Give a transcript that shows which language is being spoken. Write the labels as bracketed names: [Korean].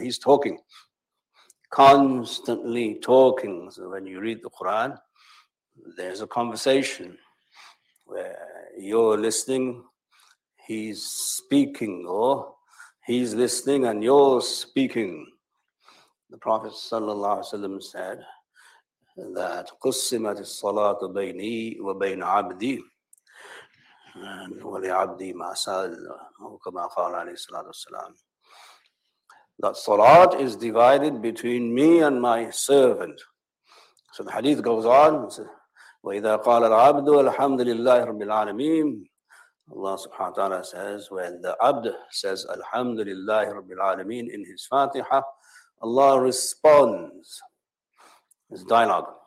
[English] He's talking, constantly talking. So when you read the Quran, there's a conversation where you're listening, he's speaking, or he's listening and you're speaking. The Prophet ﷺ said that [Arabic] قُسِّمَتْ الصَّلَاةُ بَيْنِي وَبَيْنَ عَبْدِي وَلِعَبْدِي مَا سَأَلَ وَكَمَا قَالَ عَلَيْهِ الصَّلَاةُ وَالسَّلَامُ. [English] That salat is divided between me and my servant. So the hadith goes on. [Arabic] وَإِذَا قَالَ الْعَبْدُ الْحَمْدُ لِلَّهِ رَبِّ الْعَالَمِينَ. [English] Allah subhanahu wa ta'ala says, when the abd says Alhamdulillahi Rabbil Alameen in his Fatiha, Allah responds. It's dialogue.